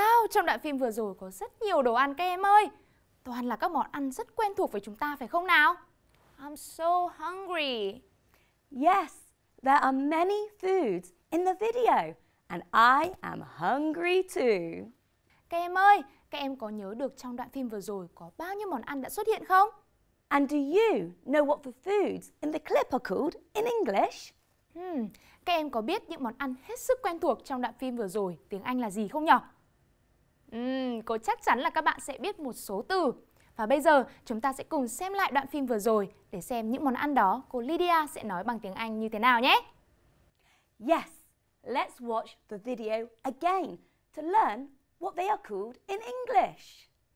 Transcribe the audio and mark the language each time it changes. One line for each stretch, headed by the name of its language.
Vietnamese: Trong đoạn phim vừa rồi có rất nhiều đồ ăn các em ơi. Toàn là các món ăn rất quen thuộc với chúng ta phải không nào?
English: I'm so hungry. Yes, there are many foods in the video and I am hungry too.
Vietnamese: Các em ơi, các em có nhớ được trong đoạn phim vừa rồi có bao nhiêu món ăn đã xuất hiện không?
English: And do you know what the foods in the clip are called in English?
Vietnamese: Các em có biết những món ăn hết sức quen thuộc trong đoạn phim vừa rồi tiếng Anh là gì không nhỉ? Cô chắc chắn là các bạn sẽ biết một số từ. Và bây giờ chúng ta sẽ cùng xem lại đoạn phim vừa rồi để xem những món ăn đó cô Lydia sẽ nói bằng tiếng Anh như thế nào nhé.
English: Yes, let's watch the video again to learn what they are called in English.